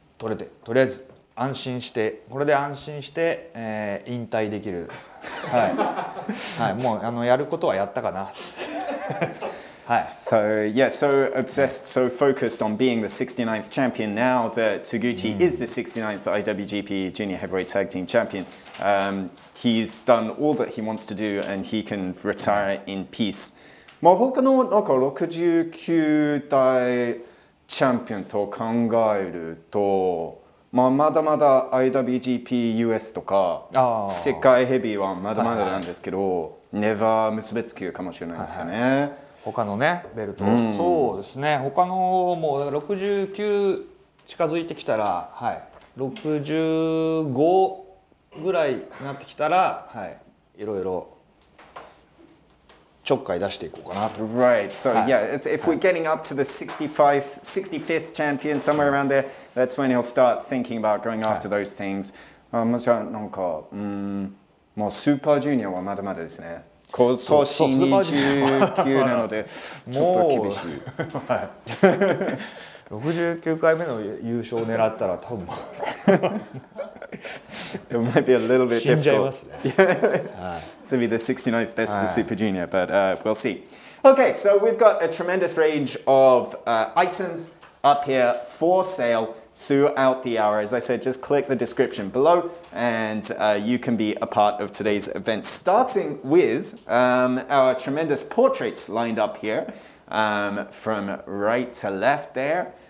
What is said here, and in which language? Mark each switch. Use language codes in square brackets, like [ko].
[ja] 取れて、とりあえず安心して、これで安心して、引退できる。はい、はい、もうやることはやったかな。はい。 [en] So, yeah, so obsessed, so focused on being the 69th champion now that Taguchi is the 69th IWGP Junior Heavyweight Tag Team Champion. He's done all that he wants to do and he can retire in peace. [ja] まあ、他のなんか69代チャンピオンと考えると、まあ、まだまだ IWGP US とか世界ヘビーはまだまだなんですけど、ネバー結べつきかもしれないですよね。他のね、ベルト、うん、そうですね、他のもう69近づいてきたら、はい、65ぐらいになってきたら、はい、いろいろちょっかい出していこうかなと。 [en] Right, so、はい、yeah, if we're getting up to the 65th champion, somewhere around there, that's when he'll start thinking about going after、はい、those things. [ja] もちろんなんか、もうスーパージュニアはまだまだですね。今年29なので、ちょっと厳しい。 69回目の優勝を狙ったら多分 [en] It might be a little bit difficult. [ja] 死んじゃいますね。 [en] To be the 69th best of the Super Junior, but we'll see. Okay, so we've got a tremendous range of items up here for sale throughout the hour. As I said, just click the description below and you can be a part of today's event, starting with our tremendous portraits lined up here from right to left there.